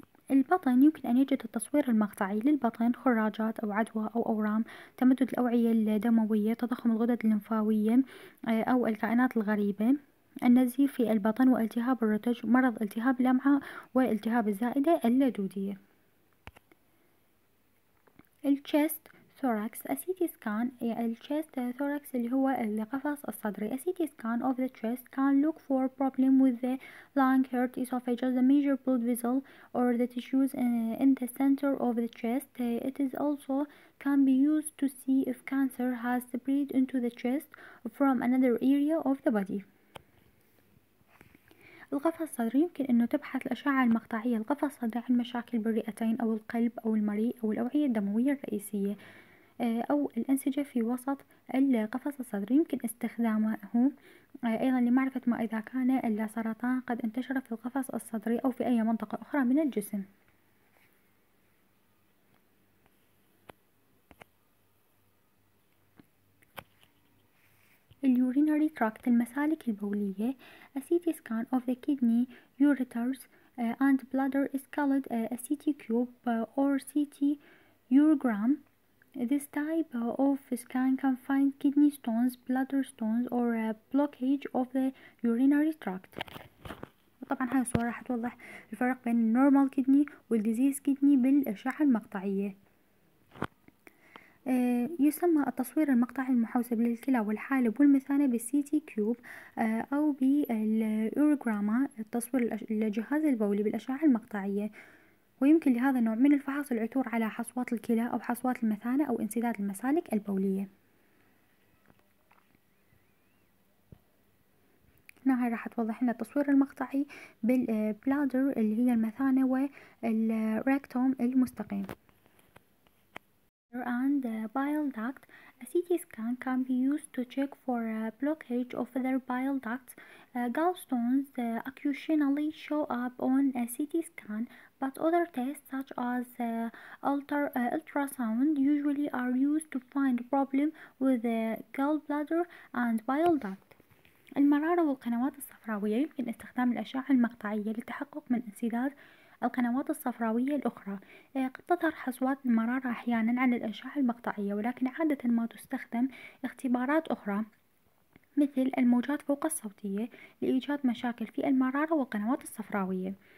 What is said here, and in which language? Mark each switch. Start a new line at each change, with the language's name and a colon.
Arabic: البطن يمكن أن يجد التصوير المقطعي للبطن خراجات أو عدوى أو أورام, تمدد الأوعية الدموية, تضخم الغدد الليمفاوية أو الكائنات الغريبة, النزيف في البطن والتهاب الرتج, مرض التهاب الأمعاء والتهاب الزائدة اللدودية.
English: الشيست thorax, a CT scan, الشيست thorax
Arabic: اللي هو القفص الصدري.
English: A CT scan of the chest can look for problem with the lung, heart, esophagus, the major blood vessel or the tissues in the center of the chest. It is also can be used to see if cancer has spread into the chest from another area of the body.
Arabic: القفص الصدري يمكن أنه تبحث الأشعة المقطعية القفص الصدري عن مشاكل بالرئتين أو القلب أو المريء أو الأوعية الدموية الرئيسية أو الأنسجة في وسط القفص الصدري. يمكن استخدامه أيضا لمعرفة ما إذا كان السرطان قد انتشر في القفص الصدري أو في أي منطقة أخرى من الجسم.
English: اليورينري تراكت,
Arabic: المسالك البولية.
English: A CT scan of the kidney, ureters and bladder is called a CT cube or CT urogram. This type of scan can find kidney stones, bladder stones or a blockage of the urinary tract.
Arabic: طبعا هاي الصورة راح توضح الفرق بين
English: normal kidney
Arabic: والdisease kidney بالأشعة المقطعية. يسمى التصوير المقطعي المحوسب للكلى والحالب والمثانة بالسي تي كيوب أو بالأوروغراما, التصوير الجهاز البولي بالأشعة المقطعية. ويمكن لهذا النوع من الفحص العثور على حصوات الكلى أو حصوات المثانة أو انسداد المسالك البولية. هنا هاي راح توضح لنا التصوير المقطعي بالبلادر اللي هي المثانة والريكتوم المستقيم.
English: And the bile duct, a CT scan can be used to check for a blockage of the bile duct. Gallstones occasionally show up on a CT scan, but other tests such as ultrasound usually are used to find problem with the gallbladder and bile duct.
Arabic: المرارة والقنوات الصفراوية, يمكن استخدام الأشعة المقطعية للتحقق من انسداد القنوات الصفراوية الأخرى. قد تظهر حصوات المرارة أحيانا على الأشعة المقطعية, ولكن عادة ما تستخدم اختبارات أخرى مثل الموجات فوق الصوتية لإيجاد مشاكل في المرارة والقنوات الصفراوية.